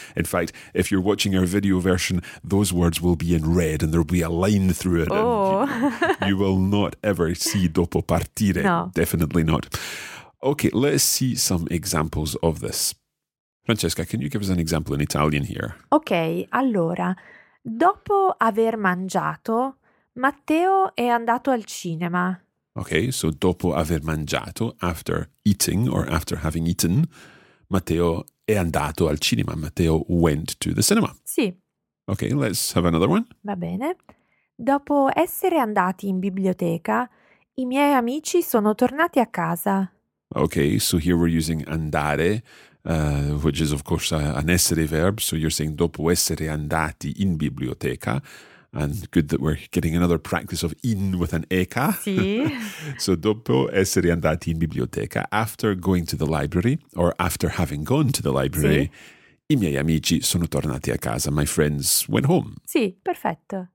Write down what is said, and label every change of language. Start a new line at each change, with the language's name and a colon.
English: In fact, if you're watching our video version, those words will be in red and there'll be a line through it. Oh. You will not ever see
Italian: dopo partire.
English: No. Definitely not. Okay, let's see some examples of this. Francesca, can you give us an example in Italian here?
Italian: Okay, allora... Dopo aver mangiato, Matteo è andato al cinema.
English: Okay, so
Italian: dopo aver mangiato,
English: after eating or after having eaten,
Italian: Matteo è andato al cinema.
English: Matteo went to the cinema.
Italian: Sì.
English: Okay, let's have another one.
Italian: Va bene. Dopo essere andati in biblioteca, i miei amici sono tornati a casa.
English: Okay, so here we're using andare. Which is, of course, an essere verb. So you're saying
Italian: dopo essere andati in biblioteca.
English: And good that we're getting another practice of in with an eca.
Italian: Sì.
English: So
Italian: dopo essere andati in biblioteca,
English: after going to the library or after having gone to the library,
Italian: sì. I miei amici sono tornati a casa.
English: My friends went home.
Italian: Sì, perfetto.